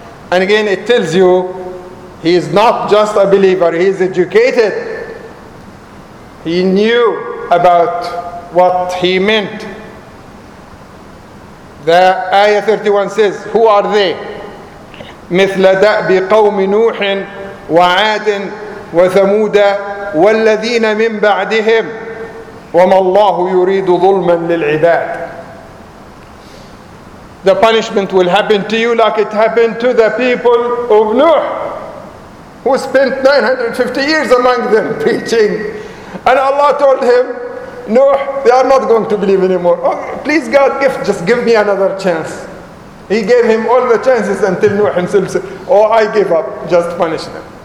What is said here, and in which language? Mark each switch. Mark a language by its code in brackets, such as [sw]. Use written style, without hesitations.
[en] And again, it tells you he is not just a believer, he is educated. He knew about what he meant. The ayah 31 says, who are they? [ar] مِثْلَ دَأْبِ قَوْمِ نُوحٍ وَعَادٍ وثمود والذين من بعدهم وما الله يريد ظلما للعباد. [en] The punishment will happen to you like it happened to the people of Nuh, who spent 950 years among them preaching. And Allah told him, Nuh, they are not going to believe anymore. Oh, please God, just give me another chance. He gave him all the chances until Nuh himself said, oh, I give up, just punish them.